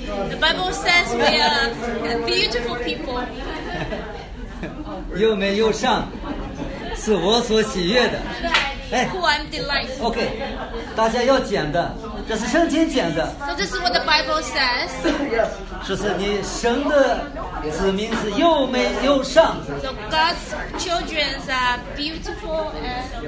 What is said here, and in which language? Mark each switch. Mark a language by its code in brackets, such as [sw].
[en] The Bible says we are beautiful people. [zh] 又美又善，是我所喜悦的。 [en] 哎 ，Who I'm delighted. [zh] OK， 大家要捡的。这是圣经讲的。 [en] So this is what the Bible says. [zh] 说是你神的子民是又美又善。 [en] So God's children are beautiful and